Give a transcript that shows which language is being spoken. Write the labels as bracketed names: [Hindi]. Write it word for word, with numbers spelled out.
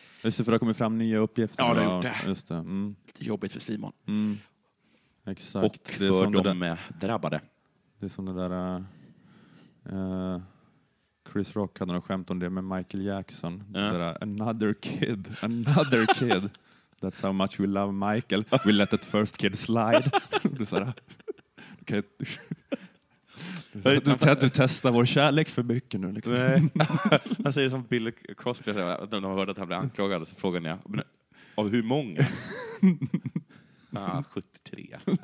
[Swedish] Just det, för det har kommit fram nya uppgifter. Ja, det har gjort det. Just det. Mm. Lite jobbigt för Simon. Mm. Exakt. Och för det är som de där, drabbade. Det är som det där... Uh, Chris Rock hade något skämt om det med Michael Jackson. Ja. Det där, [English] another kid, another kid. That's how much we love Michael. We let that first kid slide. [Swedish] Du sådär... Okay. Du t- testar vår kärlek för mycket nu. Liksom. Nej. Han säger som Bill Cosby. Att de har hört att han blir anklagad. Så frågan är, men av hur många? Ah, sjuttiotre.